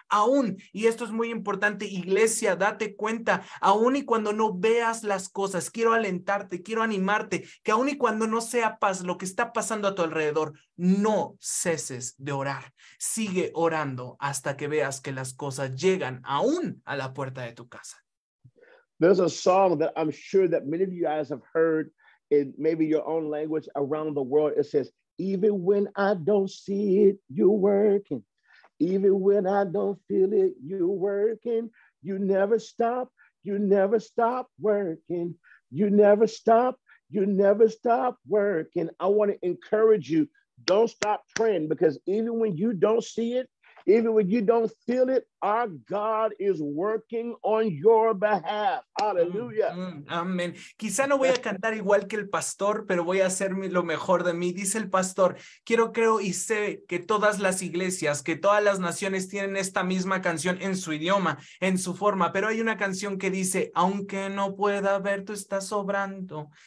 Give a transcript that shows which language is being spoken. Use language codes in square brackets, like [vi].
[es] Aún, y esto es muy importante, iglesia, date cuenta, aún y cuando no veas las cosas, quiero alentarte, quiero animarte, que aún y cuando no sea paz lo que está pasando a tu alrededor, no ceses de orar. Sigue orando hasta que veas que las cosas llegan aún a la puerta de tu casa. [en] There's a song that I'm sure that many of you guys have heard in maybe your own language around the world. It says, even when I don't see it, you're working. Even when I don't feel it, you're working. You never stop. You never stop working. You never stop. You never stop working. I want to encourage you. Don't stop praying, because even when you don't see it, even when you don't feel it, our God is working on your behalf. Hallelujah. [es] Amén. Quizá no voy a cantar igual que el pastor, pero voy a hacer lo mejor de mí. Dice el pastor, quiero, creo y sé que todas las iglesias, que todas las naciones tienen esta misma canción en su idioma, en su forma. Pero hay una canción que dice, aunque no pueda ver, tú estás obrando.